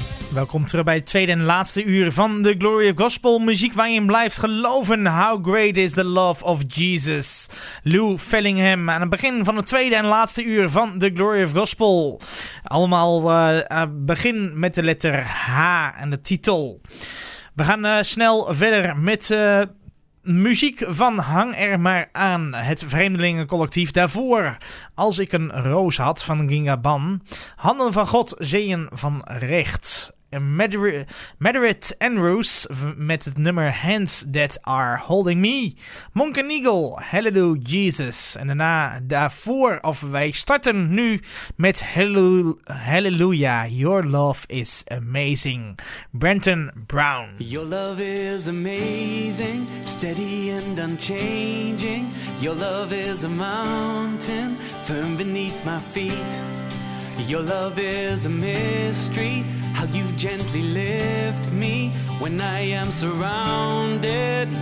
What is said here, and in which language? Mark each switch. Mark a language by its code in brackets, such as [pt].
[nl] Welkom terug bij het tweede en laatste uur van The Glory of Gospel. Muziek waar je in blijft geloven. [en] How great is the love of Jesus? [nl] Lou Fellingham aan het begin van het tweede en laatste uur van The Glory of Gospel. Allemaal begin met de letter H en de titel. We gaan snel verder met muziek van Hang Er Maar Aan, het Vreemdelingencollectief. Daarvoor, Als Ik Een Roos Had van Ginga Ban. Handen van God, Zeeën van Recht. Madrid Andrews met het nummer Hands That Are Holding Me. Monk & Eagle, Hallelujah Jesus. En daarna daarvoor, of wij starten nu met Hallelujah, Your Love Is Amazing. Brenton Brown. [en] Your love is amazing, steady and unchanging. Your love is a mountain, firm beneath my feet. Your love is a mystery, how you gently lift me when I am surrounded.